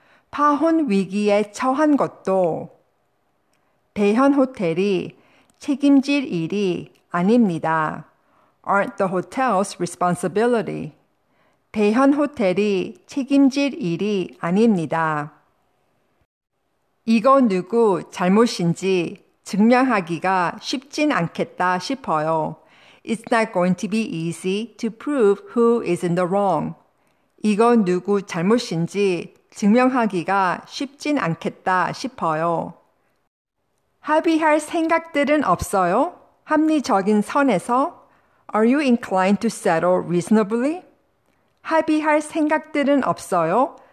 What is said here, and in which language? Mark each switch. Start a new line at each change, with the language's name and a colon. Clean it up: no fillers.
Korean: 파혼 위기에 처한 것도 대현 호텔이 책임질 일이 아닙니다.
English: Aren't the hotel's responsibility.
Korean: 대현 호텔이 책임질 일이 아닙니다. 이거 누구 잘못인지 증명하기가 쉽진 않겠다 싶어요.
English: It's not going to be easy to prove who is in the wrong.
Korean: 이거 누구 잘못인지 증명하기가 쉽진 않겠다 싶어요. 합의할 생각들은 없어요? 합리적인 선에서?
English: Are you inclined to settle reasonably?
Korean: 합의할 생각들은 없어요?